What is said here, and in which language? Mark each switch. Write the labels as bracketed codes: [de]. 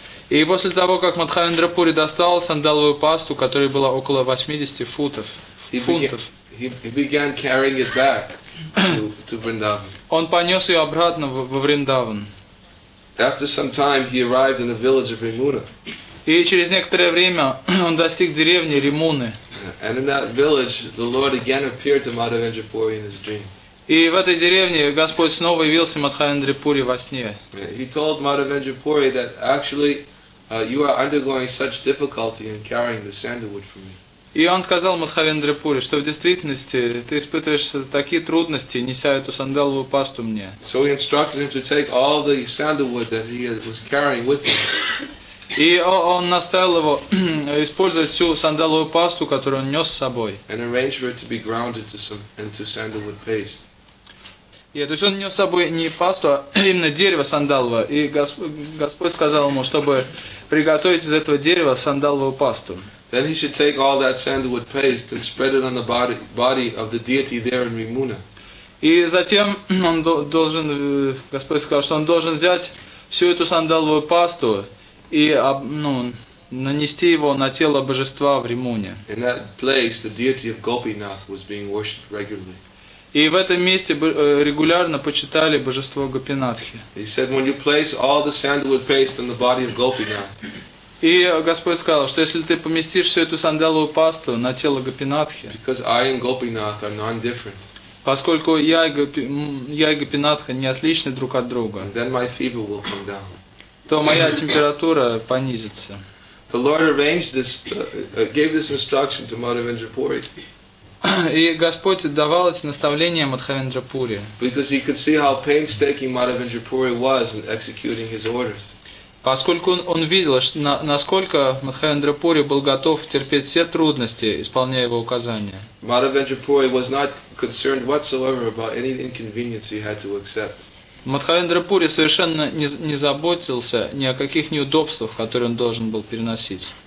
[ru] И после того, как Мадхавендра Пури достал сандаловую пасту, которая была около 80 футов, фунтов, [en] he began carrying it back to Vrindavan. [ru] Он понес ее обратно во Вриндаван. [en] After some time, he arrived in the village of Rimuna. [ru] И через некоторое время он достиг деревни Римуны. [en] And in that village, the Lord again appeared to Madhavendra Puri in his dream. [ru] И в этой деревне Господь снова явился Мадхавендра Пури во сне. [en] He told Madhavendra Puri that actually you are undergoing such difficulty in carrying the sandalwood for me. [ru] И он сказал Мадхавендра Пури, что в действительности ты испытываешь такие трудности, неся эту сандаловую пасту мне. [en] So he instructed him to take all the sandalwood that he was carrying with him. [ru] И он наставил его использовать всю сандаловую пасту, которую он нес с собой. [en] And arranged for it to be ground into some into sandalwood paste. [ru] Yeah, то есть он нес с собой не пасту, а именно дерево сандалово. И Господь сказал ему, чтобы приготовить из этого дерева сандаловую пасту. [en] Then he should take all that sandalwood paste and spread it on the body of the deity there in Rimuna. [ru] И затем он должен, Господь сказал, что он должен взять всю эту сандаловую пасту и нанести его на тело божества в Римуне. [en] In that place, the deity of Gopinath was being worshipped regularly. [ru] И в этом месте регулярно почитали божество Гопинатхи. [en] He said, when you place all the sandalwood paste on the body of Gopinath. [ru] И Господь сказал, что если ты поместишь всю эту сандаловую пасту на тело Гопинатхи, [en] because I and Gopinath are non-different, [ru] поскольку я и Гопинатха не отличны друг от друга, [en] then my fever will come down. [ru] То моя температура понизится. [en] The Lord arranged this, gave this instruction to Madhavendra Puri. [ru] И Господь давал эти наставления Мадхавендра Пури. [en] Because he could see how painstaking Madhavendra Puri was in executing his orders. [ru] Поскольку он видел, насколько Мадхавендра Пури был готов терпеть все трудности, исполняя его указания. [en] Madhavendra Puri was not concerned whatsoever about any inconvenience he had to accept. [ru] Мадхавендра Пури совершенно не заботился ни о каких неудобствах, которые он должен был переносить.